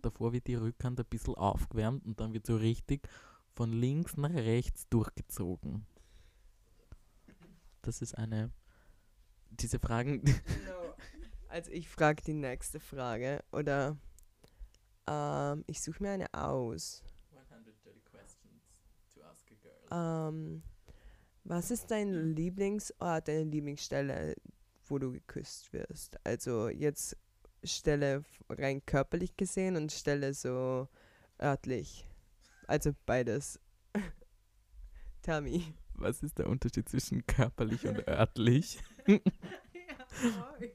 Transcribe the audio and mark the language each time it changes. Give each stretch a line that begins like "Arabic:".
German: Davor wird die Rückhand ein bisschen aufgewärmt und dann wird so richtig von links nach rechts durchgezogen. Das ist eine... Diese Fragen... No. Also ich frage die nächste Frage. Oder... ich suche mir eine aus.
English: 100 dirty questions to ask a girl.
German: Was ist dein Lieblingsort, deine Lieblingsstelle, wo du geküsst wirst? Also jetzt Stelle rein körperlich gesehen und Stelle so örtlich. Also beides.
English: Tell me.
German: Was ist der Unterschied zwischen körperlich und örtlich? Ja, sorry.